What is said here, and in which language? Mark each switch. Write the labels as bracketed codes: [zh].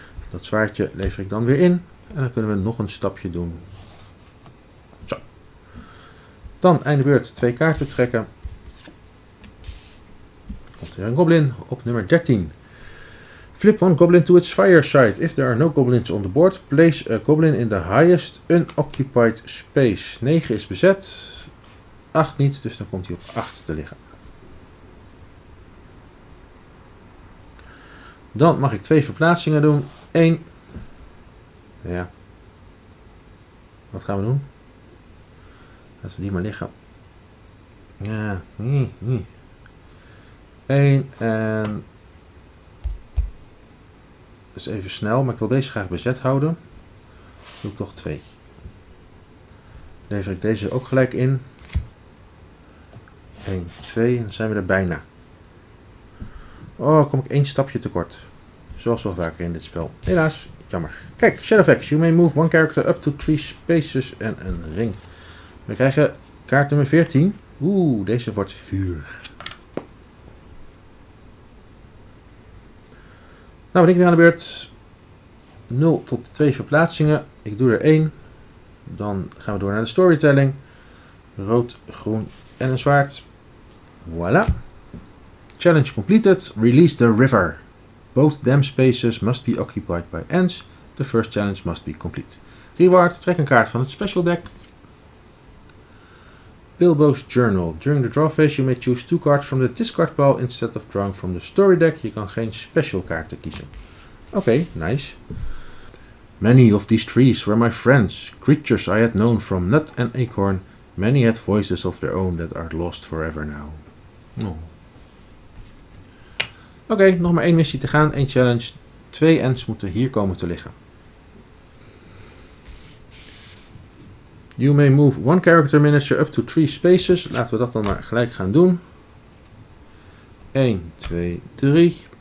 [nl] Dat zwaardje lever ik dan weer in. En dan kunnen we nog een stapje doen. Zo. Dan einde beurt twee kaarten trekken. Komt weer een goblin op nummer 13. [en] Flip one goblin to its fireside. If there are no goblins on the board, place a goblin in the highest unoccupied space. [nl] 9 is bezet. 8 niet, dus dan komt hij op 8 te liggen. Dan mag ik twee verplaatsingen doen. 1. Ja. Wat gaan we doen? Laten we die maar liggen. Ja. 1 en... Dat is even snel, maar ik wil deze graag bezet houden. Dan doe ik toch 2. Lever ik deze ook gelijk in. 1, 2, dan zijn we er bijna. Oh, kom ik 1 stapje tekort. Zoals wel vaker in dit spel. Helaas, jammer. Kijk, Shadow Facts. [en] You may move one character up to 3 spaces and a ring. [nl] We krijgen kaart nummer 14. Oeh, deze wordt vuur. Nou, ben ik weer aan de beurt. 0 tot 2 verplaatsingen. Ik doe er 1. Dan gaan we door naar de storytelling. Rood, groen en een zwaard. [en] Voilà. Challenge completed. Release the river. Both dam spaces must be occupied by ants. The first challenge must be complete. Reward. [nl] Trek een kaart van het special deck. [en] Bilbo's Journal. During the draw phase you may choose 2 cards from the discard pile instead of drawing from the story deck. [nl] Je kan geen special kaarten kiezen. [en] Oké, okay, nice. Many of these trees were my friends, creatures I had known from nut and acorn. Many had voices of their own that are lost forever now. [nl] Oh. Oké, okay, nog maar 1 missie te gaan, 1 challenge. 2 ants moeten hier komen te liggen. [en] You may move one character miniature up to 3 spaces. [nl] Laten we dat dan maar gelijk gaan doen. 1, 2, 3.